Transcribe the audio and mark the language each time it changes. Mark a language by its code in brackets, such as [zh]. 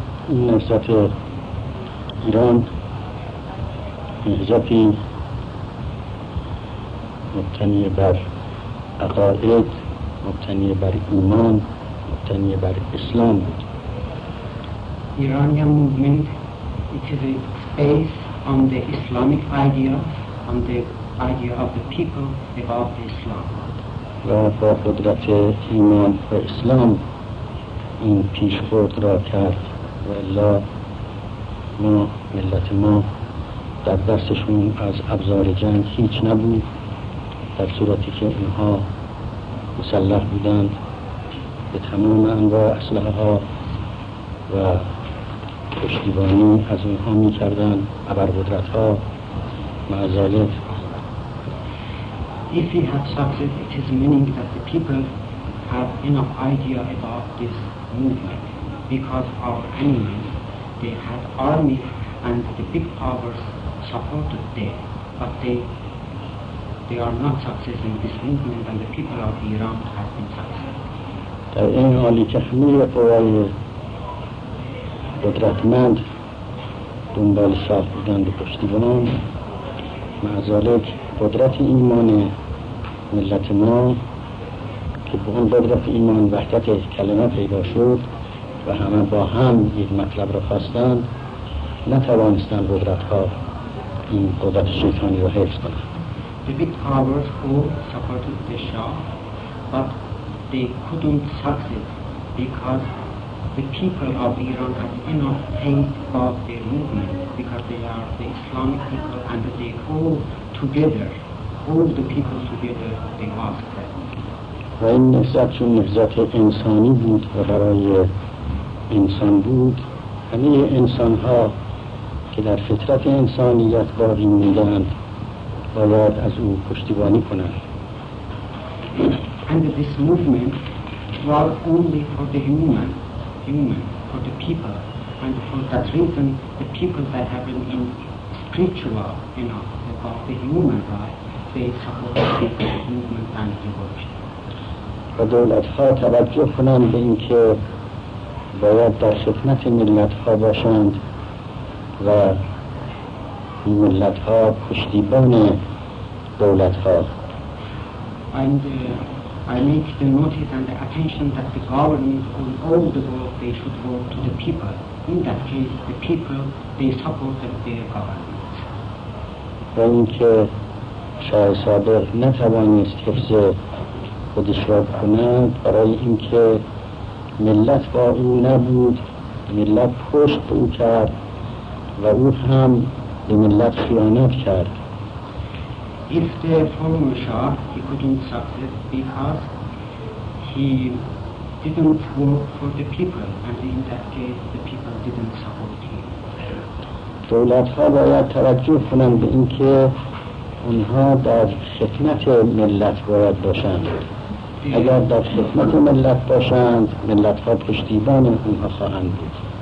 [fa] نهضت ایران نهضتی مبتنی بر عقاید، مبتنی بر ایمان، مبتنی بر اسلام بود. [en] Iranian movement, it is based on the Islamic idea, on the idea of the people about the Islam. [fa] و با قدرت ایمان و اسلام این پیشبرد را کرد و الا ما، ملت ما در دستشون از ابزار جنگ هیچ نبود، در صورتی که اونها مسلح بودند به تمام انواع اسلحه ها و پشتیبانی از اونها می کردن ابرقدرت ها معذالف. [en] If we have success, it is meaning that the people have enough idea about this movement because our enemies, they had armies and the big powers supported them, but they are not success in this movement and the people of Iran have been successful. [fa] در این حالی که همه قوای قدرتمند دنبال ساخت بودند و پشتیبانان، معذالک قدرت ایمان ملت ما که به اون قدرت ایمان وحدت کلمه پیدا شد و همه با هم یک مطلب را خواستند، نتوانستند قدرت ها این قدرت شیطانی رو حفظ کنن. [en] The big powers who supported the Shah, but they couldn't succeed because the people of Iran had enough faith about their movement, because they are the Islamic people and they hold together, hold the people together, they ask them. [fa] و این نهضت چون نهضت انسانی بود و برای انسان بود، همه انسان ها که در فطرت انسانیت باقی موندند باید از او پشتیبانی کنند. [en] And this movement was only for the human, for the people, and for that reason the people that have been in spiritual, you know, about the human life, they support the movement and devotion. [fa] و دولت ها توجه کنند به اینکه باید در خدمت ملت ها باشند و ملت ها پشتیبان دولت ها. [en] I make the notice and the attention that the government on all the world they should work to the people. In that case, the people they support their government. [fa] و اینکه شاه صادق نتوانست حفظ خودش را کنند برای اینکه ملت با او نبود، ملت پشت او کرد و او هم به ملت خیانت کرد. [en] If the former Shah, he couldn't succeed because he didn't work for the people and in that case the people didn't support him. [fa] دولت ها باید توجه کنند به اینکه اونها در خدمت ملت باید باشند. اگر در خدمت ملت باشند، ملت ها پشتیبان اونها خواهند بود.